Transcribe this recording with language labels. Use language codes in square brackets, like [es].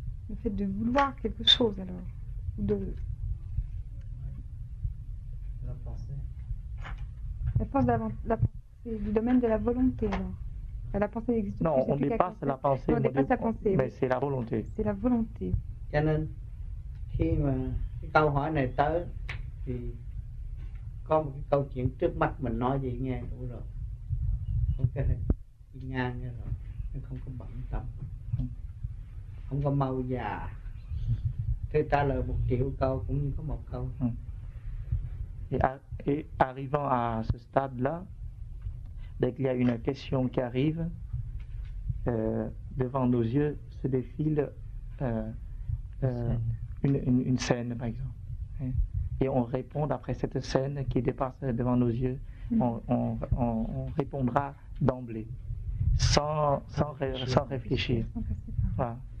[fr] Le fait de vouloir quelque chose, alors. De... La pensée. La pensée du domaine de la volonté, alors. La pensée n'existe plus. Non, on dépasse la pensée. On dépasse la pensée. Mais c'est la volonté. C'est la volonté. [vi] Cho nên, khi mà cái câu hỏi này tới, thì có một cái câu chuyện trước mắt mình nói vậy nghe đủ rồi. Ok, đi ngang nghe rồi, nhưng không có bận tâm, không có mau già. Thế trả lời một triệu câu cũng như có một câu. [fr] Et arrivant à ce stade-là, dès qu'il y a une question qui arrive, devant nos yeux se défile une scène, par exemple. Et on répond après cette scène qui dépasse devant nos yeux, on répondra d'emblée, sans réfléchir. Voilà.